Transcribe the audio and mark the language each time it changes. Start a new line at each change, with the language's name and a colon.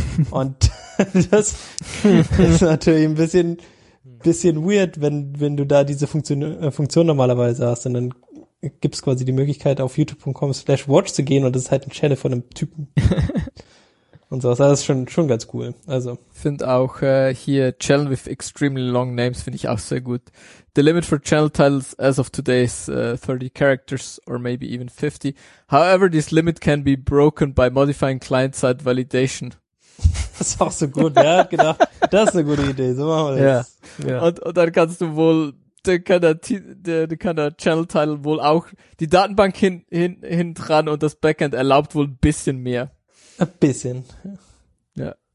German: Und das ist natürlich ein bisschen weird, wenn du da diese Funktion normalerweise hast. Und dann gibt's quasi die Möglichkeit, auf youtube.com/watch zu gehen und das ist halt ein Channel von einem Typen. Und sowas. Das ist schon ganz cool. Also. Finde auch hier
English: Channel with extremely long names
German: finde ich auch sehr gut.
English: The limit for channel titles as of today is 30 characters or maybe even 50. However, this limit can be broken by modifying client-side validation.
German: Das ist auch so gut, ja, hat gedacht, das ist eine gute Idee, so machen wir das. Ja. Und dann kannst du wohl, der Channel Title wohl auch die Datenbank hin dran und das Backend erlaubt wohl ein bisschen mehr. Ein bisschen. Ja.